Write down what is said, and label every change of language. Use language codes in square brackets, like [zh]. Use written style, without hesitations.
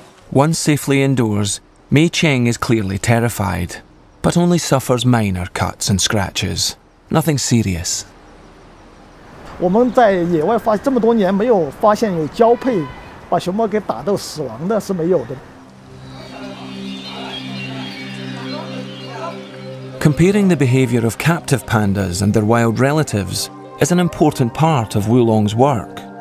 [en] Once safely indoors, Mei Cheng is clearly terrified, but only suffers minor cuts and scratches. Nothing serious. We've been in the wild for so many years, we haven't found a [zh] 把熊猫给打到死亡的是没有的。 [en] Comparing the behavior of captive pandas and their wild relatives is an important part of Wu Long's work.